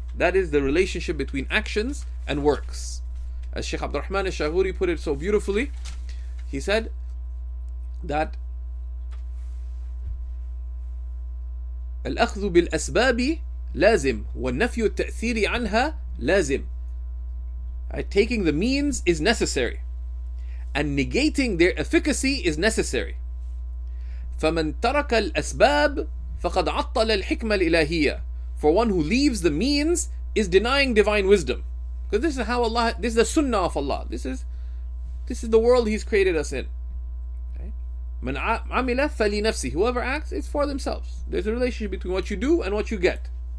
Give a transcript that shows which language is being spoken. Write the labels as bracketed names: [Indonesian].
[English] That is the relationship between actions and works. As Sheikh Abdul Rahman al-Shaghuri put it so beautifully, he said that [Arabic] الأخذ بالأسباب لازم والنفي التأثير عنها لازم. [English] Taking the means is necessary, and negating their efficacy is necessary. [Arabic] فمن ترك الأسباب فقد عطل الحكمة الإلهية. [English] For one who leaves the means is denying divine wisdom. Because this is how Allah, this is the sunnah of Allah. This is the world He's created us in. [Arabic] من عمل فلنفسه. [English] Whoever acts, it's for themselves. There's a relationship between what you do and what you get.